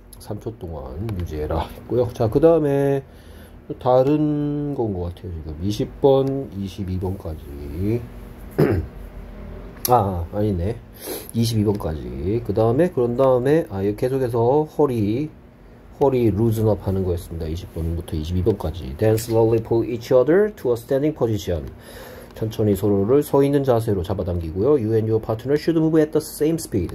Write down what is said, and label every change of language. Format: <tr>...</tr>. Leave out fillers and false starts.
<ko>3초 동안 유지해라 했고요. 자, 그 다음에 다른 건것 같아요. 지금 20번, 22번까지. 아, 아니네. 22번까지. 그 다음에, 그런 다음에, 아, 계속해서 허리 루즈업 하는 거였습니다. 20번부터 22번까지.</ko> <en>Then slowly pull each other to a standing position.</en> <ko>천천히 서로를 서 있는 자세로 잡아당기고요.</ko> <en>You and your partner should move at the same speed.</en>